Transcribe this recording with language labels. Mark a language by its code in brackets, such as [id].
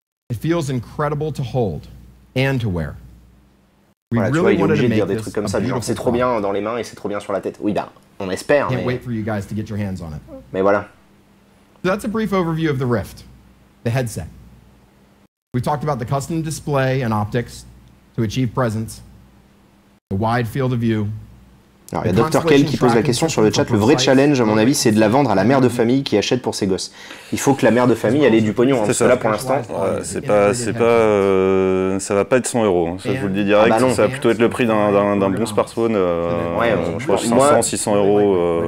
[en] It feels incredible to hold and to wear. [fr] Voilà, tu vois, ils sont obligés de dire des trucs comme ça. Genre, c'est trop bien dans les mains et c'est trop bien sur la tête. Oui, bah, on espère. Mais voilà. [en] That's a brief overview of the Rift, the headset. We talked about the custom display and optics to achieve presence, the wide field of view, [fr] Alors, il y a Dr. Kell qui pose la question sur le chat. Le vrai challenge, à mon avis, c'est de la vendre à la mère de famille qui achète pour ses gosses. Il faut que la mère de famille elle ait du pognon. C'est ça, là, pour l'instant. Ça va pas être 100 euros. Ça, je vous le dis direct. Ah bah ça va plutôt être le prix d'un bon smartphone. Ouais, je crois 500, 600 euros.